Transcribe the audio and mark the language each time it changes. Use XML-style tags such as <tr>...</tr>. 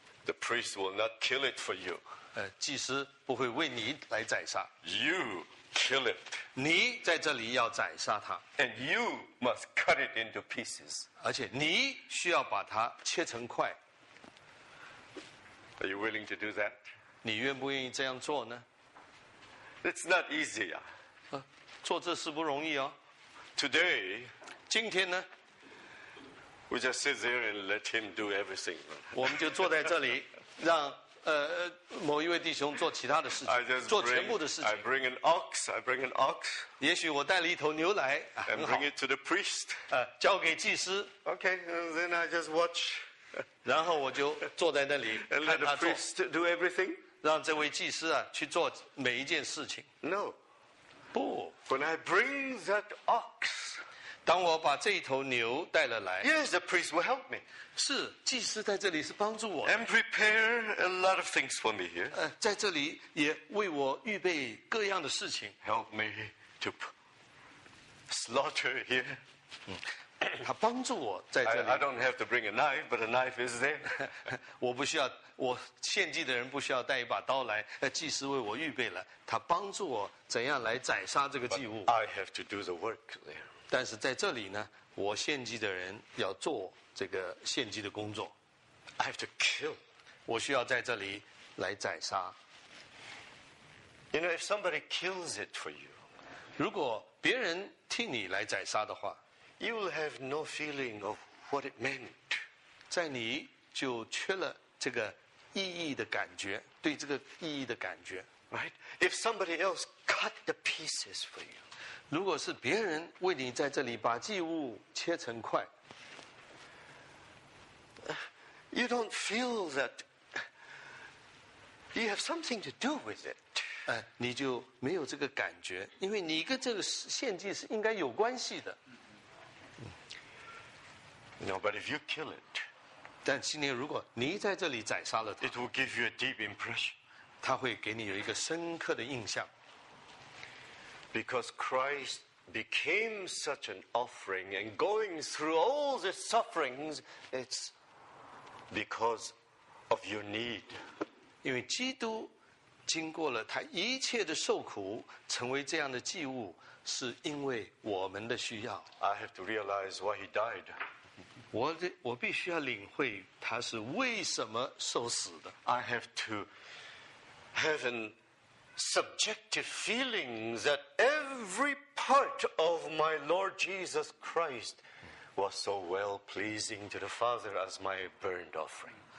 <en>The priest will not kill it for you.</en> <zh>祭司不会为你来宰杀。</zh> <en>You kill it.</en> <zh>你在这里要宰杀它。</zh> <en>And you must cut it into pieces.</en> <zh>而且你需要把它切成块。</zh> <en>Are you willing to do that?</en> <zh>你愿不愿意这样做呢？</zh> <en>It's not easy.</en> <zh>做这事不容易哦。</zh> <en>Today,</en> <zh>今天呢？</zh> <en>We just sit there and let him do everything.</en> <zh>我们就坐在这里，让某一位弟兄做其他的事情，做全部的事情。</zh> <en>I bring an ox.</en> <zh>也许我带了一头牛来。</zh> <en>And bring it to the priest.</en> <zh>交给祭司。</zh> <en>Okay, then I just watch.</en> <zh>然后我就坐在那里看他做。</zh> <en>And let the priest do everything.</en> <zh>让这位祭司去做每一件事情。</zh> <en>No.</en> <zh>不。</zh> <en>When I bring that ox,</en> <zh>当我把这一头牛带了来。</zh> <en>Yes, the priest will help me.</en> <zh>是，祭司在这里是帮助我。</zh> <en>And prepare a lot of things for me here.</en> <zh>在这里也为我预备各样的事情。</zh> <en>Help me to slaughter here.</en> <zh>他帮助我在这里。</zh> <en>I don't have to bring a knife, but a knife is there.</en> <zh>我不需要，我献祭的人不需要带一把刀来，祭司为我预备了，他帮助我怎样来宰杀这个祭物。</zh> <en>I have to do the work there.</en> <zh>但是在这里呢，我献祭的人要做这个献祭的工作。</zh> <en>I have to kill.</en> <zh>我需要在这里来宰杀。</zh> <en>You know, if somebody kills it for you,</en> <zh>如果别人替你来宰杀的话。</zh> <en>You will have no feeling of what it meant.</en> <zh>在你就缺了这个意义的感觉，对这个意义的感觉。</zh> <en>Right? If somebody else cut the pieces for you,</en> <zh>如果是别人为你在这里把祭物切成块，</zh> <en>you don't feel that you have something to do with it.</en> <zh>你就没有这个感觉，因为你跟这个献祭是应该有关系的。</zh> <en>No, but if you kill it,</en> <zh>但今天如果你在这里宰杀了它</zh> <en>，it will give you a deep impression.</en> <zh>它会给你有一个深刻的印象。</zh> <en>Because Christ became such an offering and going through all the sufferings, it's because of your need.</en> <zh>因为基督经过了他一切的受苦，成为这样的祭物，是因为我们的需要。</zh> <en>I have to realize why he died.</en> <zh>我必须要领会他是为什么受死的。</zh> <en>I have to have an subjective feeling that every part of my Lord Jesus Christ was so well pleasing to the Father as my burnt offering.</en>